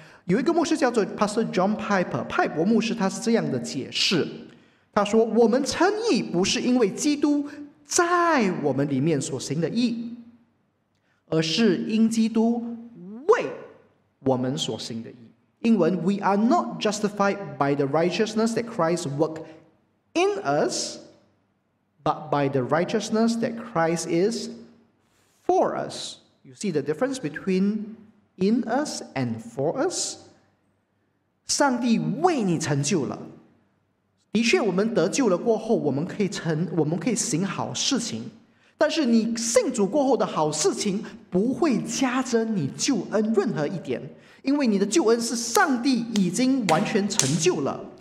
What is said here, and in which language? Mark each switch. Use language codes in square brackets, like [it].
[zh] 有一个牧师叫做 Pastor John Piper， 派伯牧师，他是这样的解释。他说，我们称义不是因为基督在我们里面所行的义，而是因基督为我们所行的义。 [en] 英文 We are not justified by the righteousness that Christ worked in us, but by the righteousness that Christ is for us. You see the difference between in us and for us? [zh] 上帝为你成就了。的确我们得救了过后，我们可以行好事情，但是你信主过后的好事情不会加增你救恩任何一点，因为你的救恩是上帝已经完全成就了。